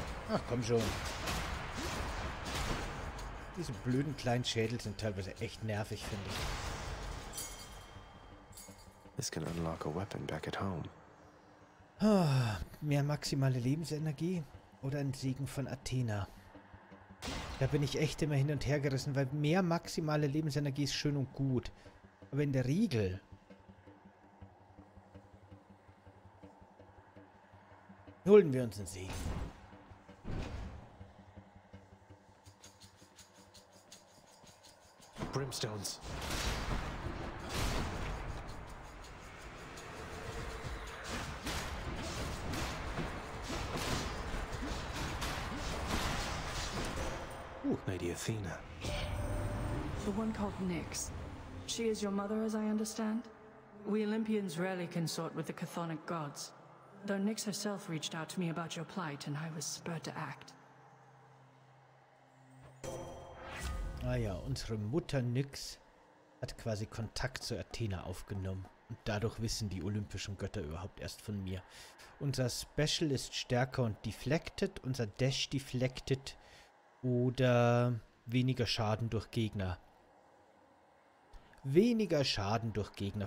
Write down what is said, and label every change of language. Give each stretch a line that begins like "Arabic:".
German: Ach, komm schon. Diese blöden kleinen Schädel sind teilweise echt nervig, finde ich.
English: This can unlock a weapon back at home.
German: Mehr maximale Lebensenergie oder ein Segen von Athena? Da bin ich echt immer hin und her gerissen, weil mehr maximale Lebensenergie ist schön und gut. Aber in der Regel... holen wir uns einen Segen.
English: Brimstones. Lady Athena. The one called Nyx. She is your mother, as I understand. We Olympians rarely consort with the Chthonic gods. Though Nyx herself reached out to me about your plight, and I was spurred to act.
German: Ah ja, unsere Mutter Nyx hat quasi Kontakt zu Athena aufgenommen. Und dadurch wissen die olympischen Götter überhaupt erst von mir. Unser Special ist stärker und deflected. Unser Dash deflected. Oder weniger Schaden durch Gegner. Weniger Schaden durch Gegner.